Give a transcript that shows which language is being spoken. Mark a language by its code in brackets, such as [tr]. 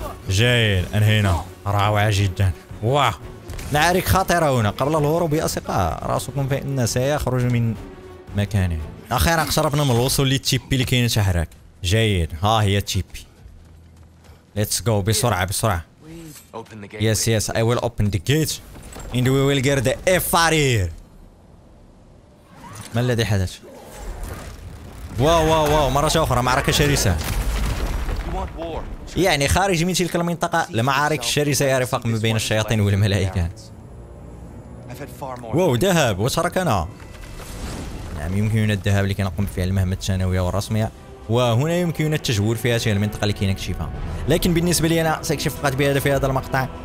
[ar] جيد انهينا، روعة جدا. واه معارك خطيرة هنا قبل الهروب يا أصدقاء، رأسكم فإنه سيخرج من مكانه. أخيرا اقتربنا من الوصول للتيبي لكي نتحرك. جيد ها هي التيبي، [en] let's go [ar] بسرعة. [en] yes I will open the gate and we will get the fire. [ar] ما الذي حدث؟ واو مرة أخرى معركة شرسة، يعني خارج من تلك المنطقة لمعارك شرسة يا رفاق ما بين الشياطين والملائكة. واو ذهب وتركنا، نعم يمكننا الذهاب لكي نقوم بفعل المهمة الثانوية والرسمية، وهنا يمكننا التجول في هذه المنطقة لكي نكشفها، لكن بالنسبة لي أنا سأكشف فقط بهذا في هذا المقطع.